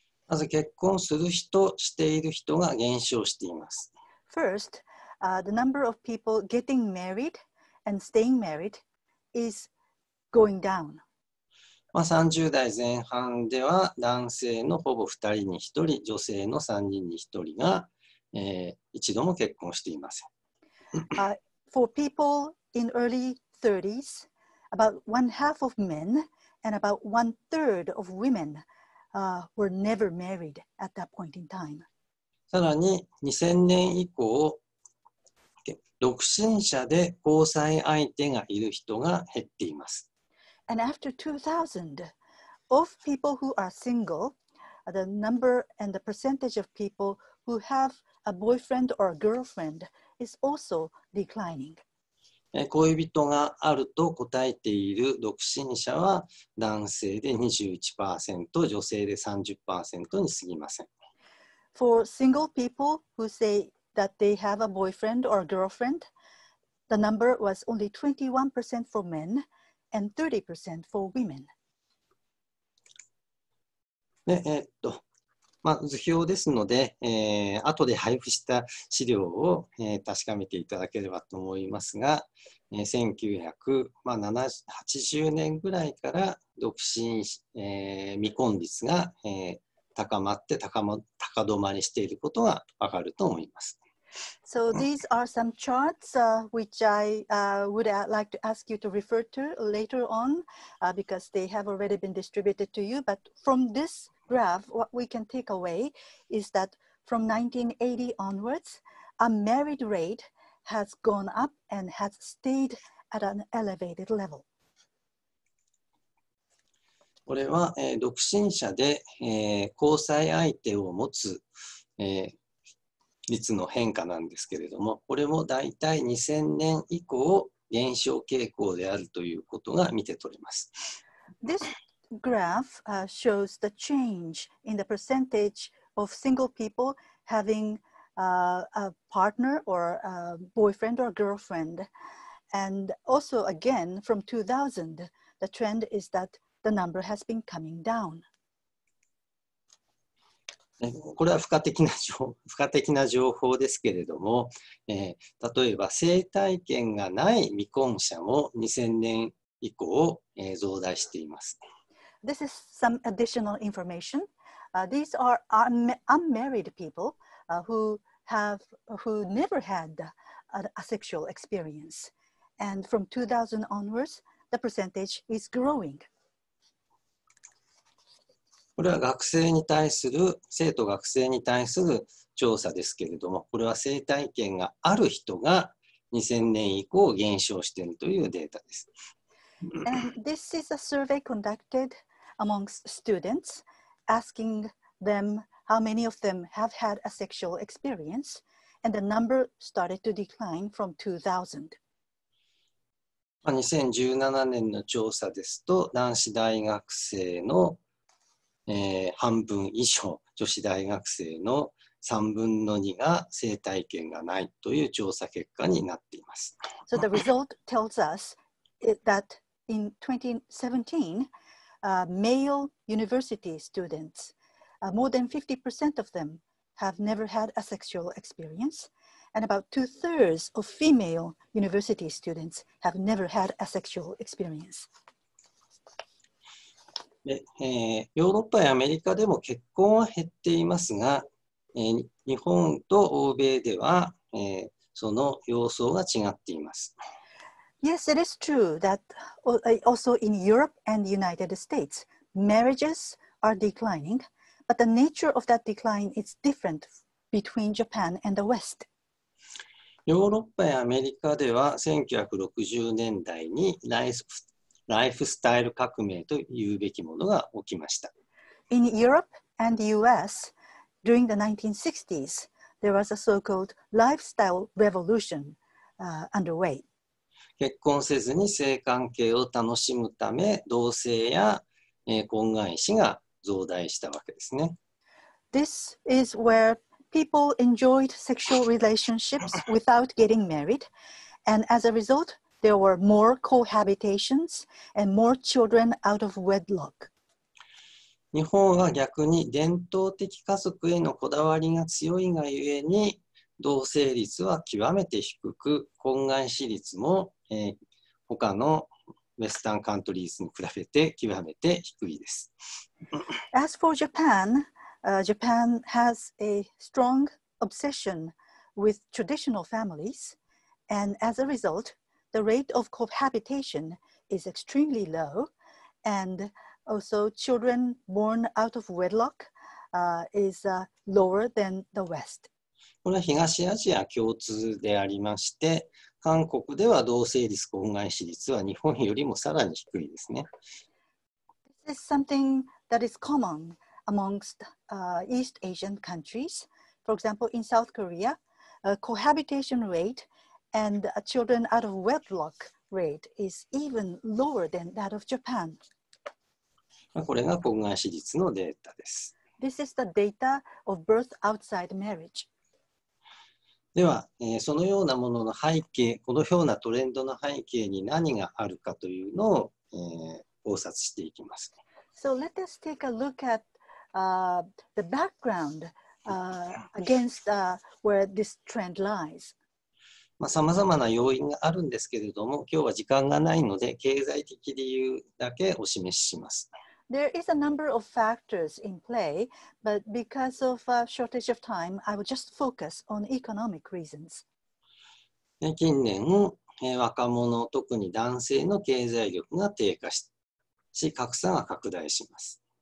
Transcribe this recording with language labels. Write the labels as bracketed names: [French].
[Japanese] まず結婚する人、している人が減少しています。 [English] Firstthe number of people getting married and staying married is going down. [Japanese] まあ30代前半では男性のほぼ2人に1人、女性の3人に1人が、一度も結婚していません。 [English] For people in early 30s, about one half of men and about one third of women, were never married at that point in time. [Japanese] さらに2000年以降、独身者で交際相手がいる人が減っています。 [English] And after 2000, of people who are single, the number and the percentage of people who have a boyfriend or a girlfriend is also declining. [Japanese] 恋人があると答えている独身者は男性で 21%、女性で 30% に過ぎません。 [English] For single people who sayThat they have a boyfriend or a girlfriend, the number was only 21% for men and 30% for women. [Japanese] で、まあ、図表ですので、後で配布した資料を、確かめていただければと思いますが、1980年ぐらいから独身、未婚率が、高まって高止まりしていることがわかると思います。 [English] So these are some charts which I would like to ask you to refer to later on because they have already been distributed to you. But from this graph, what we can take away is that from 1980 onwards, a married rate has gone up and has stayed at an elevated level. [Japanese] これは、独身者で、交際相手を持つ、率の変化なんですけれども、これもだいたい2000年以降減少傾向であるということが見て取れます。 [English] This graph shows the change in the percentage of single people having a partner or a boyfriend or girlfriend. And also again from 2000, the trend is that the number has been coming down. [Japanese] これは付加的な情報ですけれども、例えば性体験がない未婚者も2000年以降、増大しています。 [English] This is some additional information. These are unmarried people who never had a sexual experience. And from 2000 onwards, the percentage is growing. [Japanese] これは学生に対する、生徒学生に対する調査ですけれども、これは性体験がある人が2000年以降減少しているというデータです。 [English] And this is a survey conducted amongst students, asking them how many of them have had a sexual experience, and the number started to decline from 2000. [Japanese] 2017年の調査ですと、男子大学生の半分以上、女子大学生の3分の2が性体験がないという調査結果になっています。 [English] So the result tells us that in 2017, male university students, more than 50% of them have never had a sexual experience, and about two-thirds of female university students have never had a sexual experience. [Japanese] ヨーロッパやアメリカでも結婚は減っていますが、日本と欧米では、その様相が違っています。 [English] Yes, it is true that also in Europe and the United States, marriages are declining, but the nature of that decline is different between Japan and the West. [Japanese] ヨーロッパやアメリカでは1960年代にライフスタイル革命というべきものが起きました。 [English] In Europe and the US, during the 1960s, there was a so-called lifestyle revolution, underway. [Japanese] 結婚せずに性関係を楽しむため、同性や、婚外子が増大したわけですね。 [English] This is where people enjoyed sexual relationships without getting married, and as a result,There were more cohabitations and more children out of wedlock. [Japanese] 日本は逆に伝統的家族へのこだわりが強いがゆえに、同性率は極めて低く、婚外子率も、他の [English] ウェスタンカントリーズ [Japanese] に比べて極めて低いです。 [English] As for Japan, Japan has a strong obsession with traditional families, and as a result,The rate of cohabitation is extremely low, and also children born out of wedlock, is, lower than the West. [Japanese] これは東アジア共通でありまして、韓国では同性率、婚外子率は日本よりもさらに低いですね。 [English] This is something that is common amongst, East Asian countries. For example, in South Korea, cohabitation rate. And children out of wedlock rate is even lower than that of Japan. [Japanese] これが婚外子率のデータです。 [English] This is the data of birth outside marriage. [Japanese] では、そのようなものの背景、このようなトレンドの背景に何があるかというのを、考察していきます。 [English] So let us take a look at, the background, against, where this trend lies. [Japanese] まあ、様々な要因があるんですけれども、今日は時間がないので、経済的理由だけお示しします。 [English] There is a number of factors in play, but because of a shortage of time, I will just focus on economic reasons. [Japanese] 近年、若者、特に男性の経済力が低下し、格差が拡大します。